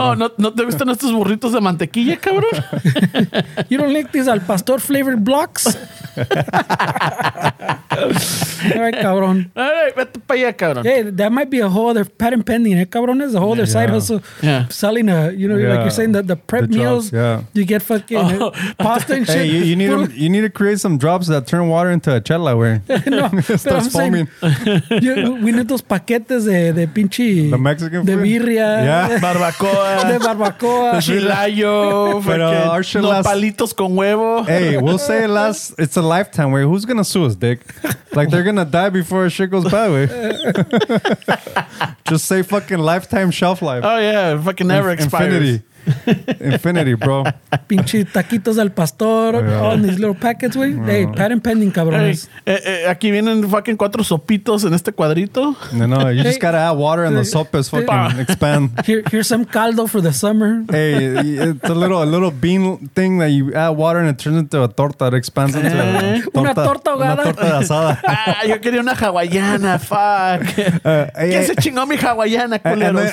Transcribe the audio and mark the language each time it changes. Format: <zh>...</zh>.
<es>Oh, ¿no te gustan estos burritos de mantequilla, cabrón?</es> <en>You don't like these al pastor flavored blocks? All right, cabrón. All right,</en> <es>vete pa allá, cabrón.</es> <en>Hey, that might be a whole other patent pending, eh, cabrón? It's a whole other side hustle. Yeah. Selling a, you know, like you're saying, the prep the meals. Drops, yeah. You get fucking pasta and shit. Hey, you need to create some drops that turn water into a chela, güey. No, starts foaming. We need those</en> <es>paquetes de pinche.</es> <en>The Mexican food.</en> <es>De birria.</es> <en>Yeah.</en> <es>De barbacoa. De chilayo. Pero</es> <en>our shit lasts.</en> <es>Palitos con huevo.</es> <en>Hey, we'll say it lasts. It's a lifetime, güey. Who's going to sue us, dick? Like they're gonna die before shit goes bad, way. Just say fucking lifetime shelf life. Oh yeah, fucking never expires. Infinity, bro.</en> <es>Pinche taquitos al pastor</es> <en>on these little packets, way. Yeah. Hey, patent pending, cabrones. Hey,</en> <es>aquí vienen fucking cuatro sopitos en este cuadrito.</es> <en>No, you just gotta add water and the sopes fucking expand. Here's some caldo for the summer. Hey, it's a little bean thing that you add water and it turns into a torta that expands into a torta.</en> <es>Una torta ahogada. Una torta de asada. Ah, yo quería una hawaiana, fuck. ¿Quién se chingó mi hawaiana, culeros?</es>